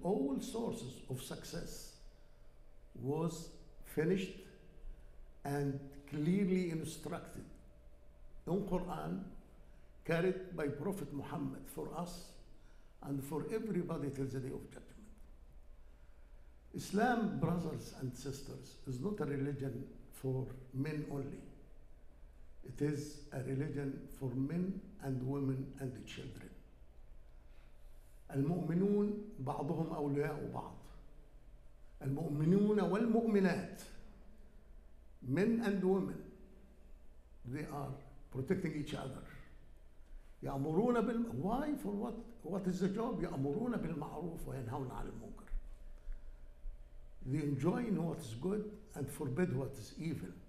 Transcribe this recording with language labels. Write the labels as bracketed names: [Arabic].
[English] All sources of success was finished and clearly instructed in Quran, carried by Prophet Muhammad for us and for everybody till the day of judgment. Islam, brothers and sisters, is not a religion for men only. It is a religion for men and women and children. [Arabic] المؤمنون بعضهم أولياء بعض. المؤمنون والمؤمنات. [English] men and women, they are protecting each other. [Arabic] يأمرون بال [English] why for what what is the job [Arabic] يأمرون بالمعروف وينهون عن المنكر. [English] They enjoin what is good and forbid what is evil.